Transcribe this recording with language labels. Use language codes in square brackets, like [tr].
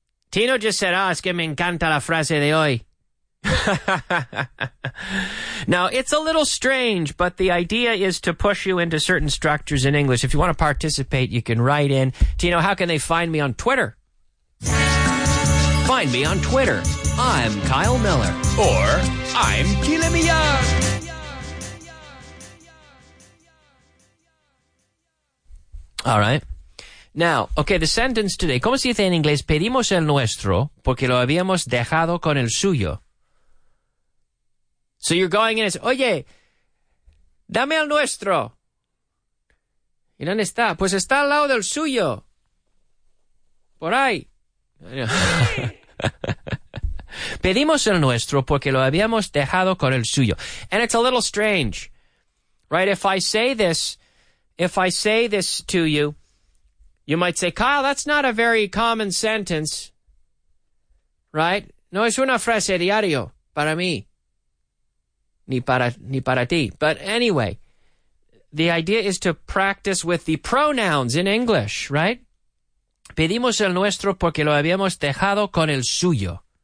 [en] Tino just said, [es] es que me encanta la frase de hoy. [en] Now, it's a little strange, but the idea is to push you into certain structures in English. If you want to participate, you can write in. Tino, how can they find me on Twitter? Find me on Twitter. I'm Kyle Miller. Or I'm Kilimiyar. All right. Now, okay, the sentence today. [es] ¿Cómo se dice en inglés? Pedimos el nuestro porque lo habíamos dejado con el suyo. [en] So you're going in and say, [es] oye, dame el nuestro. ¿Y dónde está? Pues está al lado del suyo. Por ahí. Pedimos el nuestro porque lo habíamos dejado con el suyo. [en] And it's a little strange, right? If I say this to you, you might say, Kyle, that's not a very common sentence, right? [es] No es una frase diario para mí. Ni para ti. [en] But anyway, the idea is to practice with the pronouns in English, right? [es] Pedimos el nuestro porque lo habíamos dejado con el suyo.